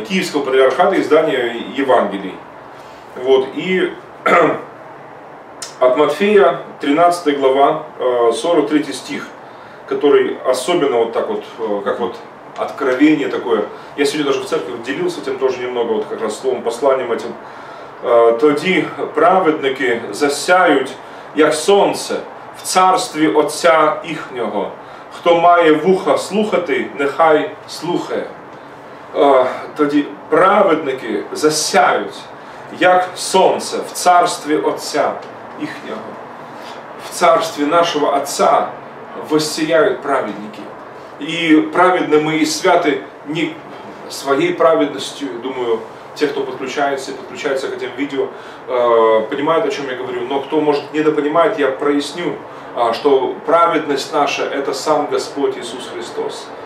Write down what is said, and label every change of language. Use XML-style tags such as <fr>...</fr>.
<ru>Киевского патриархата, издание Евангелий. Вот, и от Матфея 13 глава, 43 стих, который особенно вот так вот, как вот откровение такое. Я сегодня даже в церкви делился этим тоже немного, вот как раз словом, посланием этим.</ru> <uk>«Тоди праведники засяют, як сонце, в царстві Отця їхнього. Хто має вуха слухати, нехай слухає». Тоді праведники засяют, як сонце, в царстві Отця їхнього. В царстві нашого Отця воссияють праведники.</uk> <ru>И праведны мы и святы не своей праведностью, думаю, те, кто подключается и подключается к этим видео, понимают, о чем я говорю. Но кто, может, недопонимает, я проясню, что праведность наша – это сам Господь Иисус Христос.</ru>